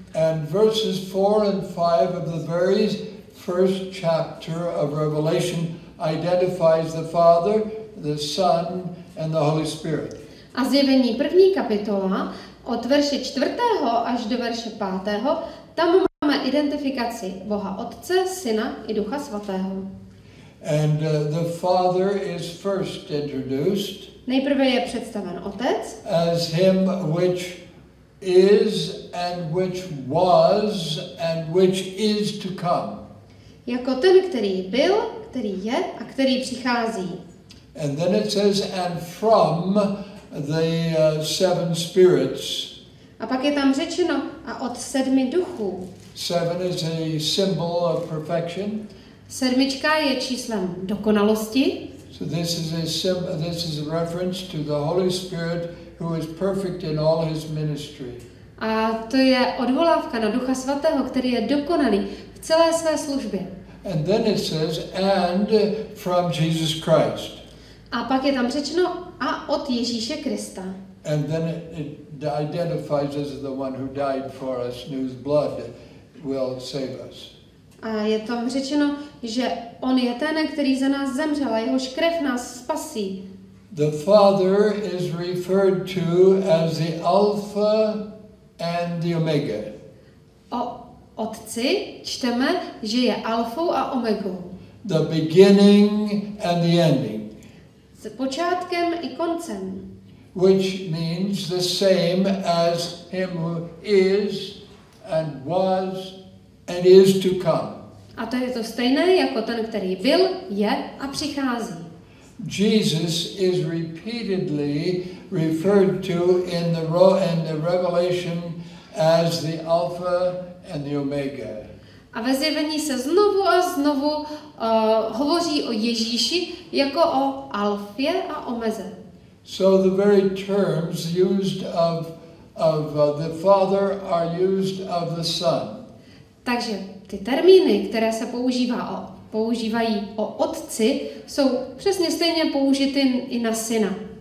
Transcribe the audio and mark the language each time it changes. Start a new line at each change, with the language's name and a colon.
English: And verses 4 and 5 of the very first chapter of Revelation identifies the Father, the Son and the Holy Spirit.
Czech: A Zjevení první kapitola od verše 4. až do verše 5. tam máme identifikaci Boha Otce, Syna i Ducha Svatého.
English: And the Father is first introduced.
Czech: Nejprve je představen Otec.
English: As him which is and which was and which is to come.
Czech: Jako ten, který byl, který je a který přichází.
English: And then it says and from the seven spirits.
Czech: A pak je tam řečeno a od sedmi duchů.
English: Seven is a symbol of perfection.
Czech: Sedmička je číslem dokonalosti.
English: So this is a reference to the Holy Spirit who is perfect in all his ministry.
Czech: A to je odvolávka na Ducha Svatého, který je dokonalý v celé své službě.
English: And then it says and from Jesus Christ.
Czech: A pak je tam řečeno a od Ježíše Krista.
English: And then it identifies as the one who died for us, whose blood will save us.
Czech: A je tam řečeno, že on je ten, který za nás zemřel a jehož krev nás spasí.
English: The Father is referred to as the Alpha and the Omega.
Czech: O Otci čteme, že je Alfou a Omegou.
English: The beginning and the ending.
Czech: S počátkem i koncem.
English: Which means the same as him who is and was and is to come.
Czech: A to je to stejné jako ten, který byl, je a přichází.
English: Jesus is repeatedly referred to in the Revelation as the Alpha and the Omega.
Czech: A ve zjevení se znovu a znovu hovoří o Ježíši jako o Alfě a Omeze.
English: So the very terms used of the Father are used of the Son.
Czech: Takže ty termíny, které se používají o Otci, jsou přesně stejně použity i na Syna.